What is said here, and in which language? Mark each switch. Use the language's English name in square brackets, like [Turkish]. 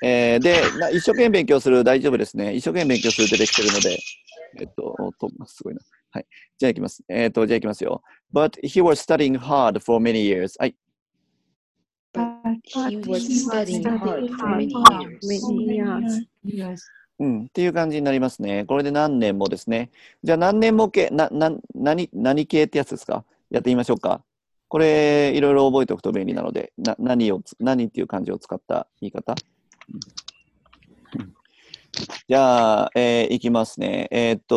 [Japanese] で、一生懸命勉強する、大丈夫ですね。一生懸命勉強する出てきてるので、すごいな。はい、じゃあいきます。じゃあいきますよ。 [English] But he was studying hard for many years. [Japanese] はい。 [English] But he was studying hard for many years. [Japanese] うん、っていう感じになりますね。これで何年もですね。じゃあ何年も系、何系ってやつですか？やってみましょうか。これ、いろいろ覚えておくと便利なので、何っていう漢字を使った言い方。じゃあ、いきますね。